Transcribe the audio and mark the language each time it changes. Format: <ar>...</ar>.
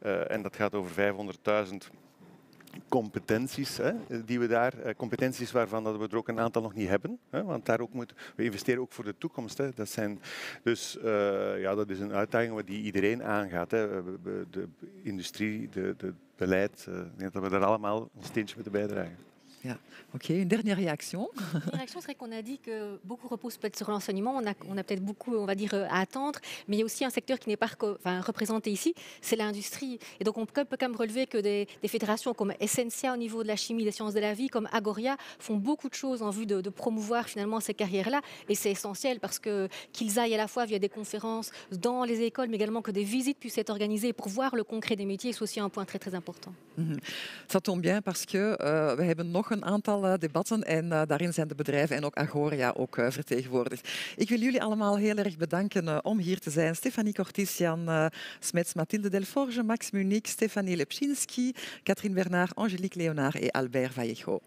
<nl>En dat gaat over 500.000 competenties, hè, die we daar, competenties waarvan dat we er ook een aantal nog niet hebben. Hè, want daar ook we investeren ook voor de toekomst. Hè. Dat zijn, dus dat is een uitdaging die iedereen aangaat. Hè. De industrie, de beleid, dat we daar allemaal een steentje moeten bijdragen. Ja, oké.</nl> <fr>Okay. Une dernière réaction. Une réaction serait qu'on a dit que beaucoup repose peut-être sur l'enseignement. On a peut-être beaucoup, on va dire, à attendre. Mais il y a aussi un secteur qui n'est pas représenté ici, c'est l'industrie. Et donc, on peut quand même relever que des fédérations comme Essentia au niveau de la chimie, des sciences de la vie, comme Agoria, font beaucoup de choses en vue de promouvoir finalement ces carrières-là. Et c'est essentiel parce que qu'ils aillent à la fois via des conférences dans les écoles, mais également que des visites puissent être organisées pour voir le concret des métiers. C'est aussi un point très, très important. Ça tombe bien parce que</fr> <nl>we hebben nog een aantal debatten en daarin zijn de bedrijven en ook Agoria ook vertegenwoordigd. Ik wil jullie allemaal heel erg bedanken om hier te zijn. Stefanie Cortis, Jan Smets, Mathilde Delforge, Max Munich, Stefanie Lepchinski, Catherine Bernard, Angelique Leonard en Albert Vallejo.</nl>